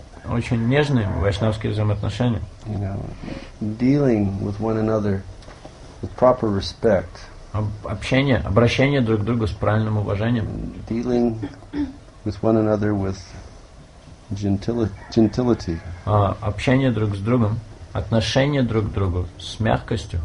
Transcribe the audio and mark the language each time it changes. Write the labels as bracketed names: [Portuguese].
[Russian] Очень нежные вайшнавские взаимоотношения. [English] You know, dealing with one another with proper respect. [Russian] Обращение друг к другу с правильным уважением. [English] Dealing with one another with gentility. [Russian] Общение друг с другом, отношение друг к другу с мягкостью.